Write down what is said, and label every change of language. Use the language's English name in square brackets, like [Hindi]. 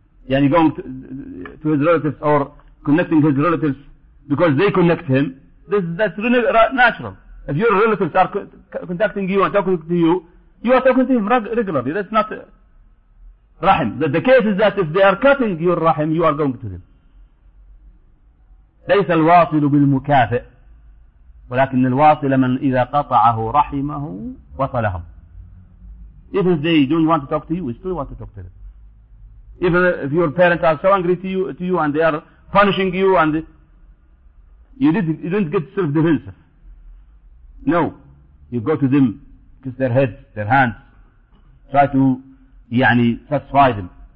[English] Yani going to his relatives or connecting his relatives because they connect him. That's natural. If your relatives are contacting you and talking to you, you are talking to him regularly. That's not rahim. But the case is that if they are cutting your rahim, you are going to them. [Arabic] ليس الواصل بالمكافئ ولكن الواصل من إذا قطعه رحمه وصلهم. [English] Even if they don't want to talk to you, we still want to talk to them. Even if your parents are so angry to you and they are punishing you and you didn't get self-defensive. No. You go to them, kiss their heads, their hands, try to يعني, satisfy them.